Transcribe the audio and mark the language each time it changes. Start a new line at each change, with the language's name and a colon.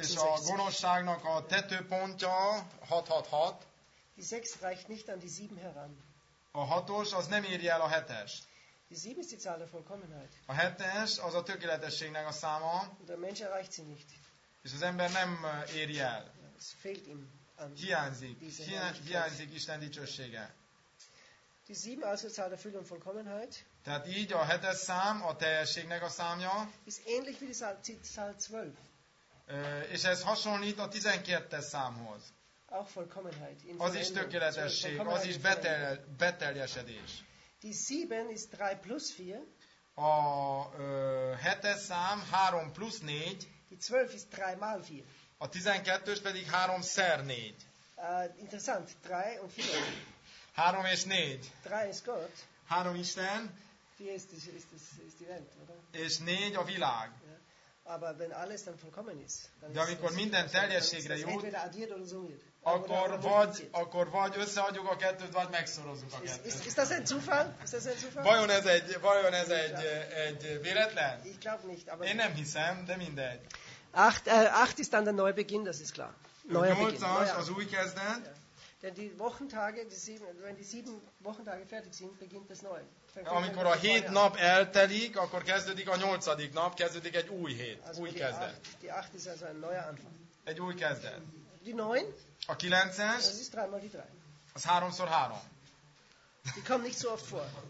Hungarian: És a gonoszságnak a tetőpontja 666.
German: Die 6 reicht nicht an die 7 heran.
Hungarian: A hatos az nem éri el a hetest.
German: Die 7 ist die Zahl der Vollkommenheit.
Hungarian: A hetes az a tökéletességnek a száma.
German: Und der Mensch erreicht sie nicht.
Hungarian: És az ember nem éri el. Hiányzik Isten dicsősége.
German: Die 7 also Zahl der Fülle und Vollkommenheit.
Hungarian: Tehát így a hetes szám a teljességnek a számja.
German: Ist ähnlich wie die Zahl 12.
Hungarian: És ez hasonlít a 12-es számhoz.
German: Auch Vollkommenheit.
Hungarian: Az is tökéletesség, az is beteljesedés.
German: Die 7 ist 3 plus 4.
Hungarian: A hetes szám 3 plusz 4.
German: Die 12 ist 3 mal 4.
Hungarian: A 12-ös pedig 3-szer 4.
German: Interessant, 3 und 4.
Hungarian: 3 és 4.
German: 3 ist Gott.
Hungarian: 3 Isten.
German: 4 ist die Welt, oder?
Hungarian: És 4 a világ.
English: Yeah.
German: Aber wenn alles dann vollkommen ist, dann
Hungarian: de amikor
German: ist
Hungarian: minden teljességre jut,
German: entweder addiert oder summiert.
Hungarian: Akkor vagy összeadjuk a kettőt, vagy megszorozzuk a kettőt.
German: Ist das ein Zufall? Ist das ein Zufall?
Hungarian: Vajon ez egy véletlen?
German: Ich glaub nicht, aber
Hungarian: én nem hiszem, de mindegy.
German: 8 ist dann der Neubeginn, das ist klar.
Hungarian: Az új kezdet.
German: Ja. Denn die Wochentage, wenn die 7 Wochentage fertig sind, beginnt das neue.
Hungarian: Amikor a 7 nap eltelik, akkor kezdődik a 8. nap, kezdődik egy új hét,
German: also
Hungarian: új kezdet.
German: Die 8 ist also ein neuer Anfang.
Hungarian: Egy új kezdet.
German: Die 9?
Hungarian: A 9-es.
German: Das ist 3 mal die 3.
Hungarian: Az 3-szor 3.
German: Die kommen nicht so oft vor.